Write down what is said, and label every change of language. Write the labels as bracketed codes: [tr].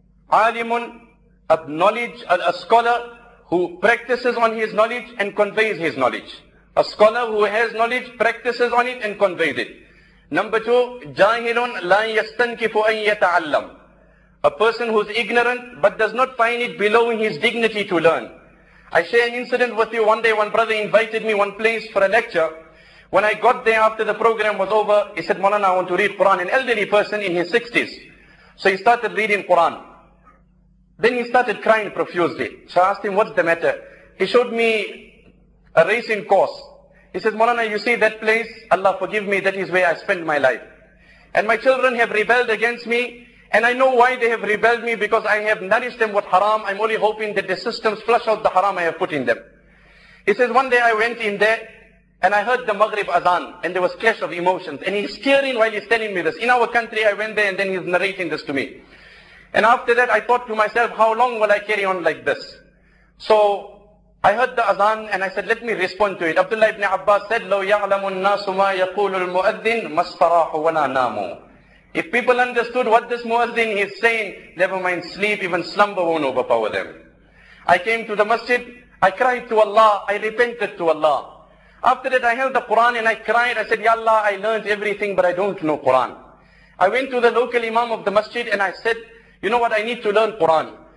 [en] عالمٌ of knowledge, a scholar who practices on his knowledge and conveys his knowledge. A scholar who has knowledge, practices on it and conveys it. Number two, [ar] جاهلٌ لا يستنكف أن يتعلم. [en] A person who is ignorant but does not find it below his dignity to learn. I share an incident with you. One day one brother invited me one place for a lecture. When I got there after the program was over, he said, Maulana, I want to read Quran. An elderly person in his 60s. So he started reading Quran. Then he started crying profusely. So I asked him, what's the matter? He showed me a racing course. He said, Maulana, you see that place? Allah forgive me, that is where I spend my life. And my children have rebelled against me. And I know why they have rebelled me, because I have nourished them with haram. I'm only hoping that the systems flush out the haram I have put in them. He says, one day I went in there, and I heard the Maghrib Azan, and there was clash of emotions. And he's tearing while he's telling me this. In our country, I went there, and then he's narrating this to me. And after that, I thought to myself, how long will I carry on like this? So I heard the Azan, and I said, let me respond to it. Abdullah ibn Abbas said, [ar] لو يعلم الناس ما يقول المؤذن ما استراحوا ولا ناموا. [en] If people understood what this muazzin is saying, never mind sleep, even slumber won't overpower them. I came to the masjid, I cried to Allah, I repented to Allah. After that, I held the Quran and I cried. I said, Ya Allah, I learned everything, but I don't know Quran. I went to the local imam of the masjid and I said, you know what, I need to learn Quran.